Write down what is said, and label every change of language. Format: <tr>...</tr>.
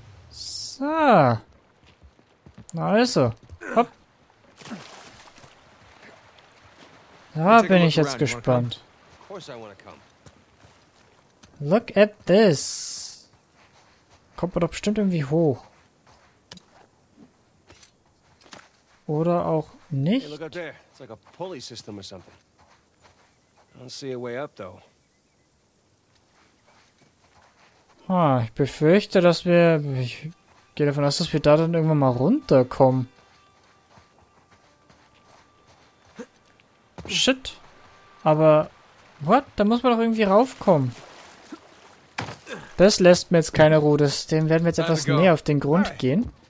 <de>So. Na also. Hopp. Da bin ich jetzt gespannt.</de> <en>Look at this.</en> <de>Kommt man doch bestimmt irgendwie hoch. Oder auch nicht.</de> <en>Hey, look out there. It's like a pulley system or something. I don't see a way up though.</en> <de>Ich befürchte, dass wir. Ich gehe davon aus, dass wir da dann irgendwann mal runterkommen. Shit. Aber.</de> <en>What?</en> <de>Da muss man doch irgendwie raufkommen. Das lässt mir jetzt keine Ruhe. Dem werden wir jetzt etwas näher auf den Grund gehen.</de>